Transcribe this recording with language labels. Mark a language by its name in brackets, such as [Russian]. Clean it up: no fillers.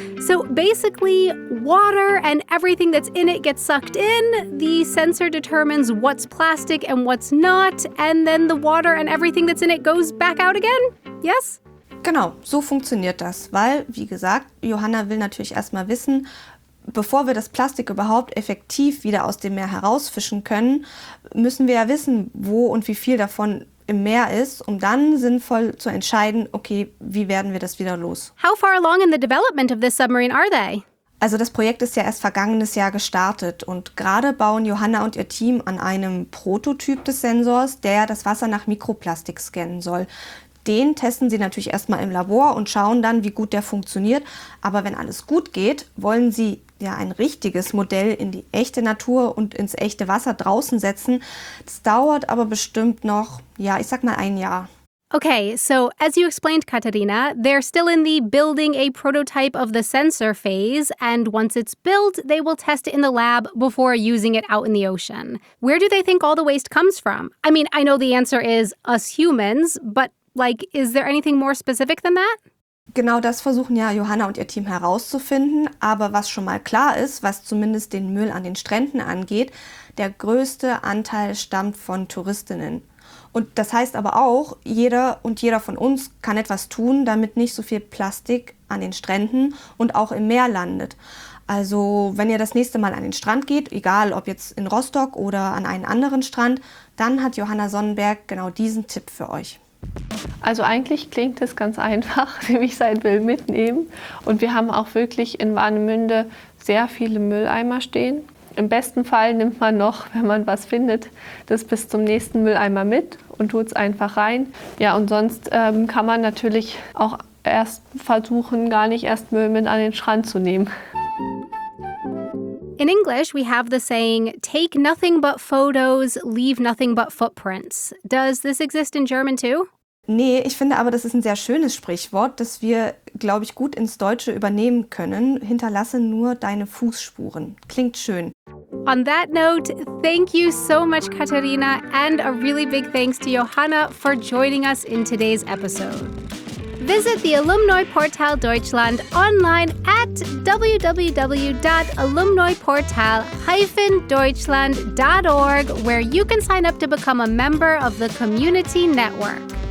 [English] So basically, water and everything that's in it gets sucked in. The sensor determines what's plastic and what's not, and then the water and everything that's in it goes back out again? Yes? [German] Genau, so funktioniert das, weil, wie gesagt, Johanna will natürlich erstmal wissen, bevor wir das Plastik überhaupt effektiv wieder aus dem Meer herausfischen können, müssen wir ja wissen, wo und wie viel davon im Meer ist, um dann sinnvoll zu entscheiden, okay, wie werden wir das wieder los? [English] How far along in the development of this submarine are they? [German] Also das Projekt ist ja erst vergangenes Jahr gestartet und gerade bauen Johanna und ihr Team an einem Prototyp des Sensors, der das Wasser nach Mikroplastik scannen soll. Den testen sie natürlich erstmal im Labor und schauen dann, wie gut der funktioniert. Aber wenn alles gut geht, wollen sie ja ein richtiges Modell in die echte Natur und ins echte Wasser draußen setzen. Das dauert aber bestimmt noch, ja, ich sag mal ein Jahr. [English] Okay, so as you explained, Katarina, they're still in the building a prototype of the sensor phase. And once it's built, they will test it in the lab before using it out in the ocean. Where do they think all the waste comes from? I mean, I know the answer is us humans, but like, is there anything more specific than that? [German] Genau das versuchen ja Johanna und ihr Team herauszufinden. Aber was schon mal klar ist, was zumindest den Müll an den Stränden angeht, der größte Anteil stammt von Touristinnen. Und das heißt aber auch, jeder und jeder von uns kann etwas tun, damit nicht so viel Plastik an den Stränden und auch im Meer landet. Also wenn ihr das nächste Mal an den Strand geht, egal ob jetzt in Rostock oder an einen anderen Strand, dann hat Johanna Sonnenberg genau diesen Tipp für euch. Also eigentlich klingt es ganz einfach, nämlich sein Müll mitnehmen. Und wir haben auch wirklich in Warnemünde sehr viele Mülleimer stehen. Im besten Fall nimmt man noch, wenn man was findet, das bis zum nächsten Mülleimer mit und tut es einfach rein. Ja, und sonst kann man natürlich auch erst versuchen, gar nicht erst Müll mit an den Strand zu nehmen. [English] In English, we have the saying, take nothing but photos, leave nothing but footprints. Does this exist in German too? [German] Nee, ich finde aber, das ist ein sehr schönes Sprichwort, das wir, glaube ich, gut ins Deutsche übernehmen können. Hinterlasse nur deine Fußspuren. Klingt schön. [English] On that note, thank you so much, Katarina, and a really big thanks to Johanna for joining us in today's episode. Visit the Alumni Portal Deutschland online at www.alumniportal-deutschland.org, where you can sign up to become a member of the community network.